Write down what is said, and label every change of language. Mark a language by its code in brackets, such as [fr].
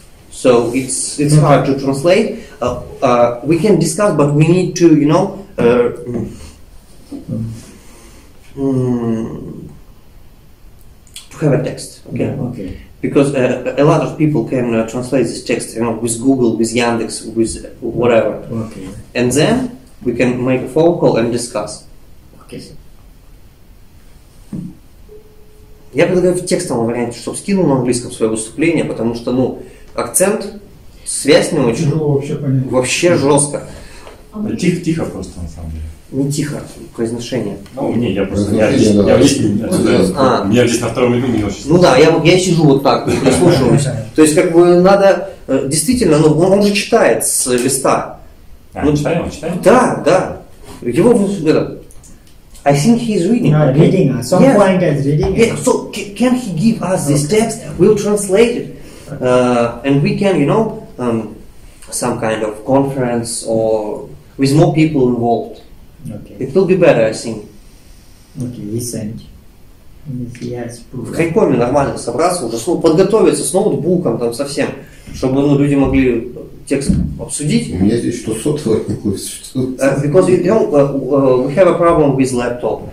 [en] So it's mm-hmm. hard to translate. We can discuss, but we need to, you know, to have a text. Okay. Yeah, okay. Because a lot of people can translate this text, you know, with Google, with Yandex, with whatever. Okay. And then we can make a phone call and discuss. Okay. [ru] Я предлагаю в текстовом варианте, чтобы скинул на английском свое выступление, потому что, ну, акцент, связь не очень. Тяжело вообще понять. Вообще жестко. Да, тихо просто, на самом деле. Не тихо, произношение. Ну, не, я просто, я здесь на втором ряду, мне очень. Ну да, я сижу вот так, прислушиваюсь. То есть, как бы, надо, действительно, ну, он же читает с листа. А, ну, читаем, читаем? Да, да. Его, это, [en] I think he's reading. No, reading. Some yeah. client is reading. Yeah. So can he give us this text? We'll translate it. And we can, you know, some kind of conference or with more people involved. Okay. It will be better, I think. Okay, listen. Yes, [ru] в Хайкоме нормально собраться, уже подготовиться с ноутбуком там совсем, чтобы ну, люди могли текст обсудить. У меня здесь что сотворку. [en] Because you know, we have a problem with laptop.